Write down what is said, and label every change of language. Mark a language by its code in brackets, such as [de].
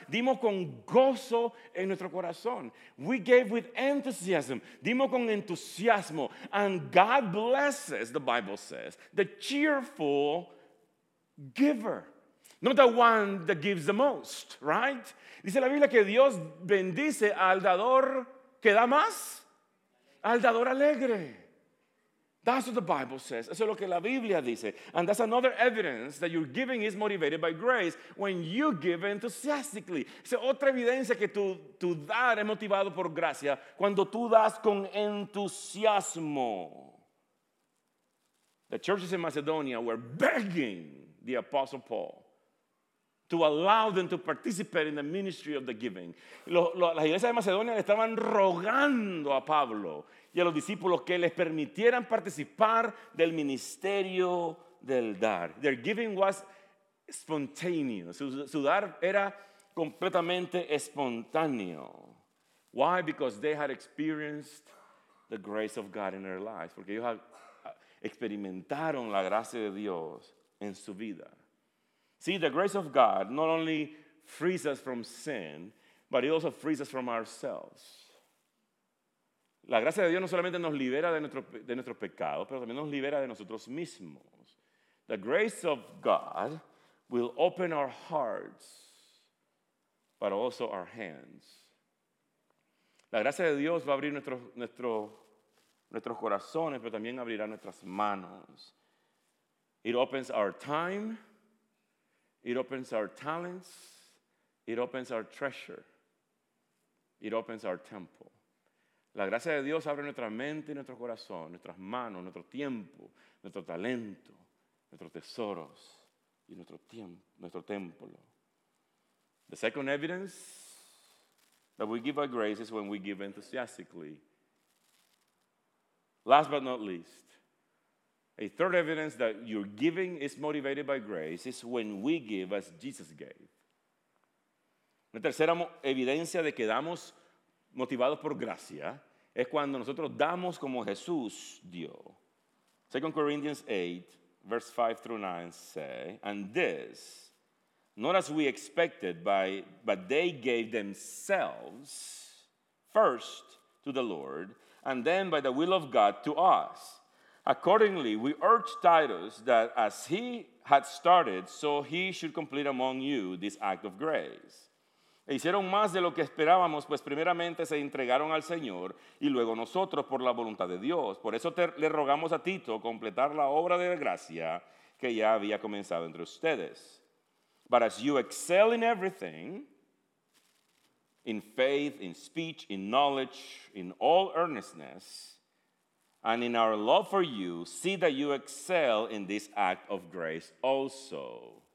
[es] Dimos con gozo en nuestro corazón. [en] We gave with enthusiasm. [es] Dimos con entusiasmo. [en] And God blesses, the Bible says, the cheerful giver. Not the one that gives the most, right? [es] Dice la Biblia que Dios bendice al dador que da más. Al dador alegre. [en] That's what the Bible says. [es] Eso es lo que la Biblia dice. [en] And that's another evidence that your giving is motivated by grace when you give enthusiastically. [es] Es otra evidencia que tu dar es motivado por gracia cuando tú das con entusiasmo. [en] The churches in Macedonia were begging the Apostle Paul to allow them to participate in the ministry of the giving. [es] Las iglesias de Macedonia le estaban rogando a Pablo y a los discípulos que les permitieran participar del ministerio del dar. [en] Their giving was spontaneous. [es] Su dar era completamente espontáneo. [en] Why? Because they had experienced the grace of God in their lives. [es] Porque ellos experimentaron la gracia de Dios en su vida. [en] See, the grace of God not only frees us from sin, but it also frees us from ourselves. [es] La gracia de Dios no solamente nos libera de nuestros pecados, pero también nos libera de nosotros mismos. [en] The grace of God will open our hearts, but also our hands. [es] La gracia de Dios va a abrir nuestros corazones, pero también abrirá nuestras manos. [en] It opens our time. It opens our talents. It opens our treasure. It opens our temple. [es] La gracia de Dios abre nuestra mente y nuestro corazón, nuestras manos, nuestro tiempo, nuestro talento, nuestros tesoros y nuestro templo. [en] The second evidence that we give by grace is when we give enthusiastically. Last but not least, a third evidence that your giving is motivated by grace is when we give as Jesus gave. [es] La tercera evidencia de que damos motivados por gracia es cuando nosotros damos como Jesús dio. [en] 2 Corinthians 8, verse 5 through 9 say, and this, not as we expected, but they gave themselves first to the Lord, and then by the will of God to us. Accordingly, we urge Titus that as he had started, so he should complete among you this act of grace. [es] E hicieron más de lo que esperábamos, pues primeramente se entregaron al Señor y luego nosotros por la voluntad de Dios. Por eso le rogamos a Tito completar la obra de gracia que ya había comenzado entre ustedes. [en] But as you excel in everything, in faith, in speech, in knowledge, in all earnestness, and in our love for you, see that you excel in this act of grace also.